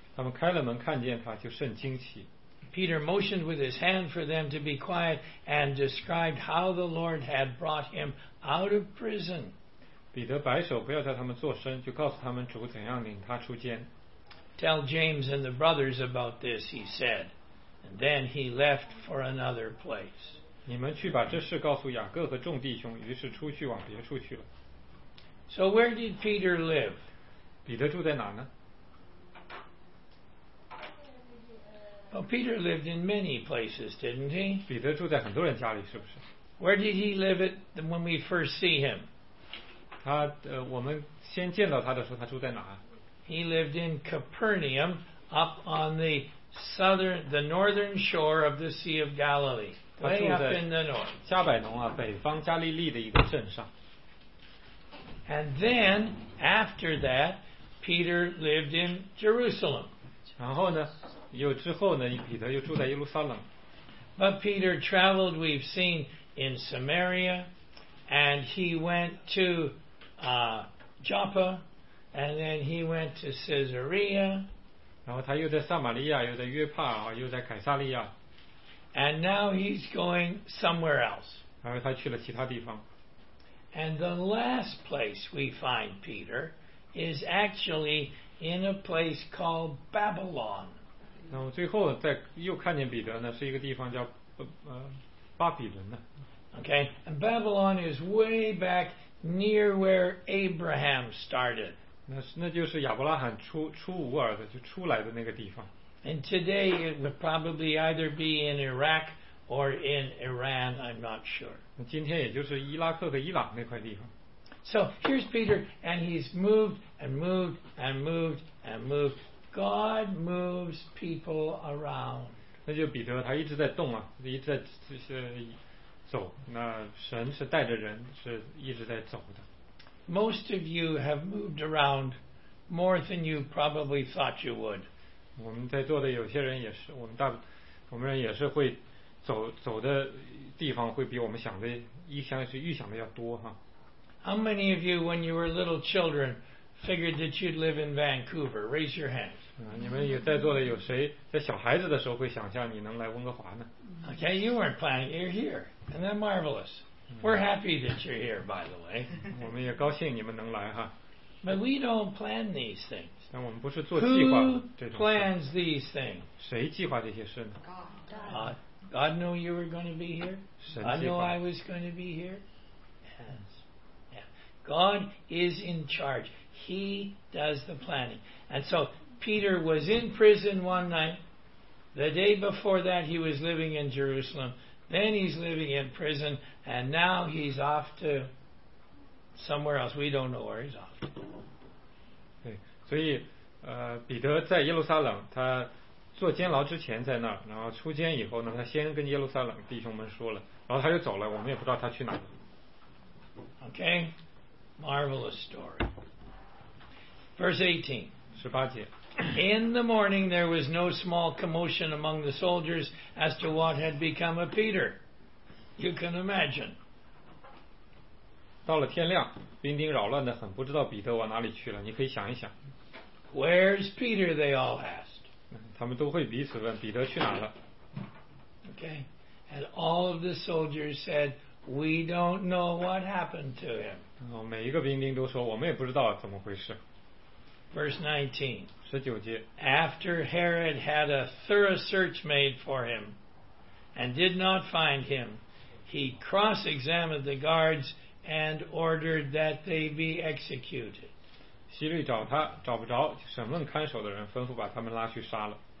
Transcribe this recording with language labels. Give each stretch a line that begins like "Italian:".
Chinese: 他们开了门看见他就甚惊奇。
English: Peter motioned with his hand for them to be quiet and described how the Lord had brought him out of prison.
Chinese: 彼得摆手不要叫他们作声，就告诉他们主怎样领他出监。
English: Tell James and the brothers about this, he said, and then he left for another place.
Chinese: 你们去把这事告诉雅各和众弟兄，于是出去往别处去了。
English: So where did Peter live?
Chinese: 彼得住在哪呢？
English: Well, Peter lived in many places, didn't he?
Chinese: 彼得住在很多人家里，是不是？
English: Where did he live it when we first see him?
Chinese: 我们先见到他的时候，他住在哪？
English: He lived in Capernaum, up on the northern shore of the Sea of Galilee, way up in the north.
Chinese: 加百农啊，北方加利利的一个镇上。
English: And then after that, Peter lived in Jerusalem.
Chinese: 然后呢，又之后呢，彼得又住在耶路撒冷。
English: But Peter traveled, we've seen, in Samaria, and he went to. Joppa, and then he went to Caesarea.
Chinese: 然后他又在撒玛利亚，又在约帕，又在凯撒利亚。
English: And now he's going somewhere else.
Chinese: 然后他去了其他地方。
English: And the last place we find Peter is actually in a place called Babylon.
Chinese: 那么最后再又看见彼得呢，是一个地方叫巴比伦呢。
English: Okay, and Babylon is way back. Near where Abraham started.
Chinese: 那就是亚伯拉罕出乌尔的就出来的那个地方。
English: And today it would probably either be in Iraq or in Iran. I'm not sure.
Chinese: 今天也就是伊拉克和伊朗那块地方。
English: So here's Peter, and he's moved and moved and moved and moved. God moves people around.
Chinese: 那就彼得他一直在动啊，一直在走，那神是带着人，是一直在走的。
English: Most of you have moved around more than you probably thought you would.
Chinese: 我们在座的有些人也是，我们人也是会走的地方会比我们想的预想的要多哈。
English: How many of you, when you were little children, figured that you'd live in Vancouver. Raise your hand.
Chinese: 你们有在座的有谁在小孩子的时候会想象你能来温哥华呢？
English: Okay, you weren't planning. You're here. Isn't that marvelous? We're happy that you're here, by the way.
Chinese: 我们也高兴你们能来哈。
English: But we don't plan these things.
Chinese: 但我们不是做计划的这种。
English: Who plans these things?
Chinese: 谁计划这些事呢？
English: God knew you were going to be here. I knew I was going to be here. Yes. Yeah. God is in charge. He does the planning. And so Peter was in prison one night. The day before that he was living in Jerusalem. Then he's living in prison. And now he's off to somewhere else. We don't know where he's off to.
Chinese: 对，所以，彼得在耶路撒冷，他坐监牢之前在那儿，然后出监以后呢，他先跟耶路撒冷弟兄们说了，然后他就走了，我们也不知道他去哪儿。
English: Okay, marvelous story. Verse 18.
Chinese: 十八节。
English: In the morning there was no small commotion among the soldiers as to what had become of Peter. You can imagine.
Chinese: 到了天亮，兵丁扰乱得很，不知道彼得往哪里去了，你可以想一想。
English: Where's Peter? They all ask. Okay. And all of the soldiers said, we don't know what happened to him.
Chinese: 每一个兵丁都说我们也不知道怎么回事。
English: Verse
Chinese: 19. 19节。
English: After Herod had a thorough search made for him and did not find him, he cross-examined the guards and ordered that they be executed.
Chinese: 希律找他找不着，审问看守的人吩咐把他们拉去杀了。